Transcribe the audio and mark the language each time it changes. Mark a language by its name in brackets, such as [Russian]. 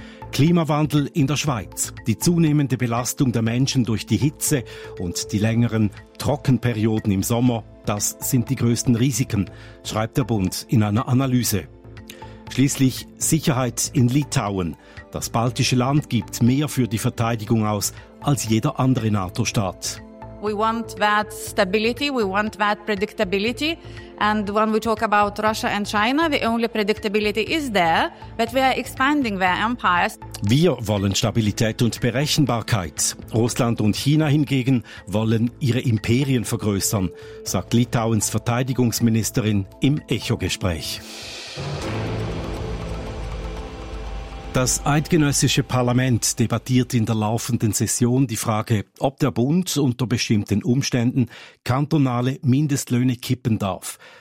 [German] Klimawandel in der Schweiz. Die zunehmende Belastung der Menschen durch die Hitze und die längeren Trockenperioden im Sommer, das sind die größten Risiken, schreibt der Bund in einer Analyse. Schließlich Sicherheit in Litauen. Das baltische Land gibt mehr für die Verteidigung aus als jeder andere NATO-Staat. [English] We want that stability, we want that predictability. And when we talk about Russia and China, the only predictability is there, but we are expanding their empires. [German] Wir wollen Stabilität und Berechenbarkeit. Russland und China hingegen wollen ihre Imperien vergrößern, sagt Litauens Verteidigungsministerin im Echo-Gespräch. Das eidgenössische Parlament debattiert in der laufenden Session die Frage, ob der Bund unter bestimmten Umständen kantonale Mindestlöhne kippen darf.